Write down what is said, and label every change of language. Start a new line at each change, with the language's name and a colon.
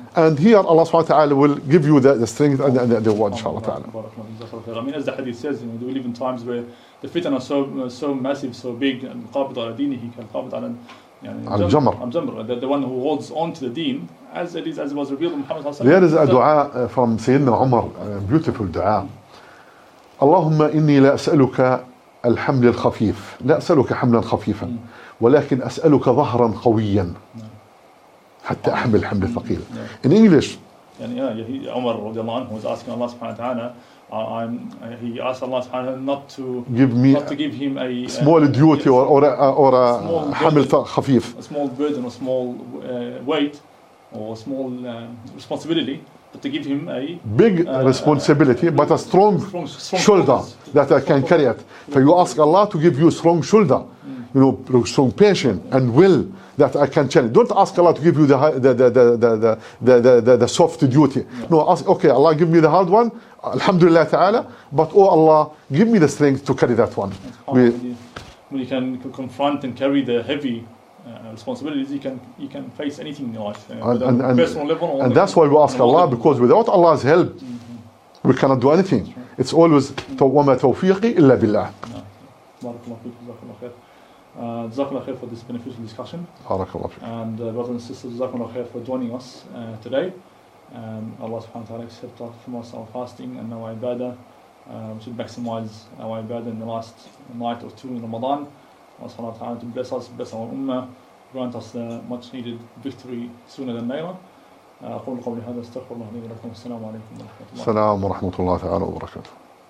English: And here Allah subhanahu wa ta'ala will give you the strength and the reward, inshallah ta'ala. I mean, as the hadith says, you know, we live in times where the fitna are so massive, so big, and qabid ala deen, he can qabid ala jamr. The one who holds on to the deen, as was revealed in Muhammad sallallahu alayhi wa sallam. There is a dua from Sayyidina Umar, a beautiful dua.
Arabic: اللهم إني لا أسألك الحمل الخفيف لا أسألك حملا خفيفا ولكن أسألك ظهرا قويا حتى أحمل الحمل الثقيل.
English: In English,
Arabic: يعني
English: yeah,
Arabic: عمر رضي الله عنه
English: was asking Allah
Arabic: سبحانه وتعالى,
English: he asked Allah سبحانه وتعالى not to give him a small duty or a
Arabic: حمل خفيف,
English: a small burden, a small weight, or a small responsibility to give him a big responsibility, but a strong shoulder that I can carry it. So you ask Allah to give you a strong shoulder, you know, strong patience and will that I can challenge. Don't ask Allah to give you the soft duty. No, ask, okay, Allah give me the hard one, alhamdulillah ta'ala, but oh Allah, give me the strength to carry that one. When you can confront and carry the heavy responsibilities, you can face anything in life. And personal level. And that's why we ask Allah, because without Allah's help, mm-hmm. we cannot do anything. Right. It's always,
Arabic: وَمَا تَوْفِيقِي إِلَّا بِاللَّهِ.
English: Jazakallah khair for this beneficial discussion. Barakallah khair. And brothers and sisters, Jazakallah khair for joining us today. Allah subhanahu wa ta'ala accept us from us our fasting and our ibadah. We should maximize our ibadah in the last night or two in Ramadan. Allah subhanahu wa ta'ala to bless us, bless our ummah, grant us the much needed victory sooner than later.
Arabic: أقول قولي هذا استغفر الله لي ولكم. السلام عليكم ورحمة الله. السلام ورحمة الله تعالى وبركاته.